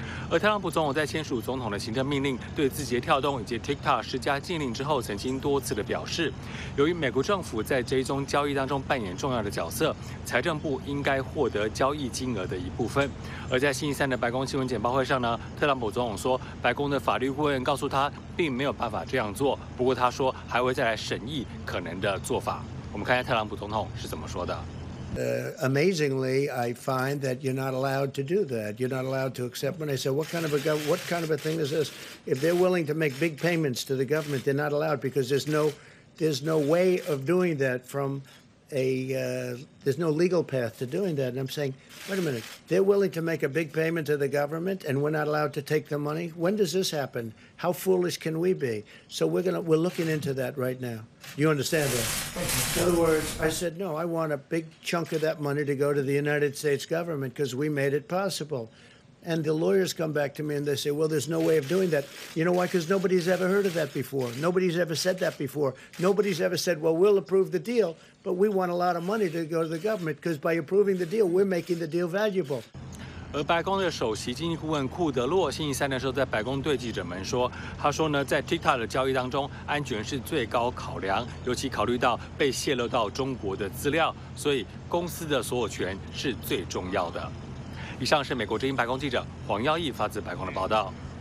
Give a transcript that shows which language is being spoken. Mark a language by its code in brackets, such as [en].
[zh] 而特朗普总统在签署总统的行政命令，对字节跳动以及 TikTok 施加禁令之后，曾经多次的表示，由于美国政府在这一宗交易当中扮演重要的角色，财政部应该获得交易金额的一部分。而在星期三的白宫新闻简报会上呢，特朗普总统说，白宫的法律顾问告诉他，并没有办法这样做，不过他说还会再来审议可能的做法。我们看一下特朗普总统是怎么说的。 [en] Amazingly, I find that you're not allowed to do that. You're not allowed to accept money. I said, what kind of a thing is this? If they're willing to make big payments to the government, they're not allowed because there's no way of doing that from there's no legal path to doing that. And I'm saying, wait a minute, they're willing to make a big payment to the government and we're not allowed to take the money? When does this happen? How foolish can we be? So we're looking into that right now. You understand that? In other words, I said, no, I want a big chunk of that money to go to the United States government because we made it possible. And the lawyers come back to me and they say, well, there's no way of doing that. You know why? Because nobody's ever heard of that before. Nobody's ever said that before. Nobody's ever said, well, we'll approve the deal, but we want a lot of money to go to the government because by approving the deal, we're making the deal valuable. [zh] 而白宫的首席经济顾问库德洛星期三的时候在白宫对记者们说，他说呢，在 TikTok 的交易当中，安全是最高考量，尤其考虑到被泄露到中国的资料，所以公司的所有权是最重要的。以上是美国之音白宫记者黄耀毅发自白宫的报道。